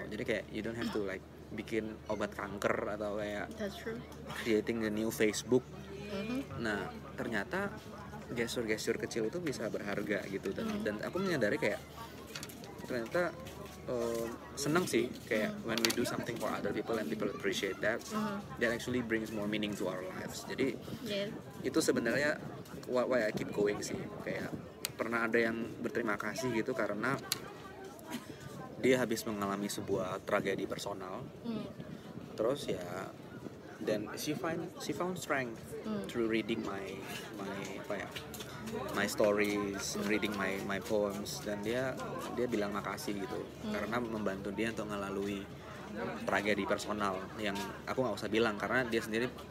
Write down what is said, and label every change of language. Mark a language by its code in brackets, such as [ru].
[id] Jadi kayak [en] you don't have to like [id] bikin obat kanker atau kayak [en] creating a new Facebook. [id] Nah, ternyata gesture-gesture kecil itu bisa berharga gitu. Dan, dan aku menyadari kayak ternyata senang sih kayak [en] when we do something for other people and people appreciate that, that actually brings more meaning to our lives. [id] Jadi itu sebenarnya [en] why I keep going [id] sih. Kayak pernah ada yang berterima kasih gitu karena dia habis mengalami sebuah tragedi personal, terus ya [en] then she found strength through reading my stories, reading my poems, [id] dan dia bilang makasih gitu karena membantu dia untuk ngelalui tragedi personal yang aku nggak usah bilang karena dia sendiri.